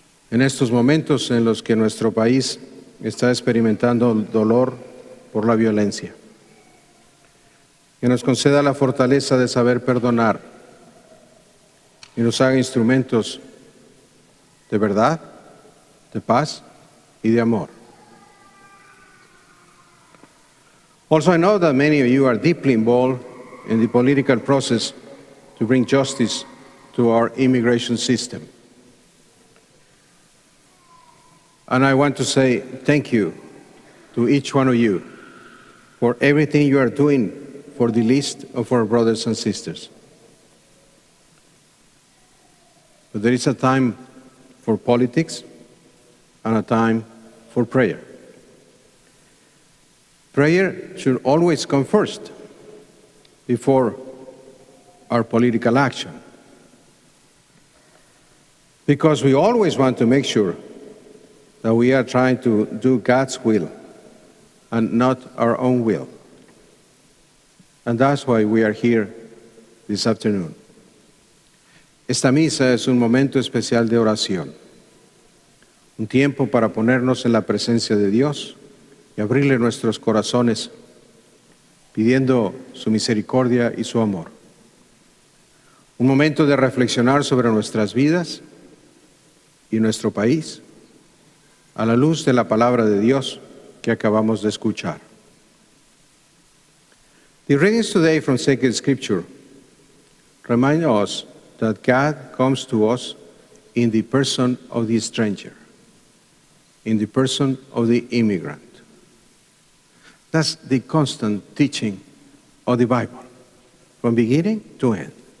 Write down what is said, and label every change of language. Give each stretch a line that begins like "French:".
Spanish: En estos momentos en los que nuestro país está experimentando dolor por la violencia, que nos conceda la fortaleza de saber perdonar y nos haga instrumentos de verdad, de paz y de amor.
English: Also, I know that many of you are deeply involved in the political process to bring justice to our immigration system. And I want to say thank you to each one of you for everything you are doing for the least of our brothers and sisters. But there is a time for politics and a time for prayer. Prayer should always come first, before our political action. Because we always want to make sure that we are trying to do God's will and not our own will. And that's why we are here this afternoon.
Spanish: Esta misa es un momento especial de oración, un tiempo para ponernos en la presencia de Dios y abrirle nuestros corazones, pidiendo su misericordia y su amor. Un momento de reflexionar sobre nuestras vidas y nuestro país, a la luz de la palabra de Dios que acabamos de escuchar.
English: The readings today from Sacred Scripture remind us that God comes to us in the person of the stranger, in the person of the immigrant. That's the constant teaching of the Bible, from beginning to end.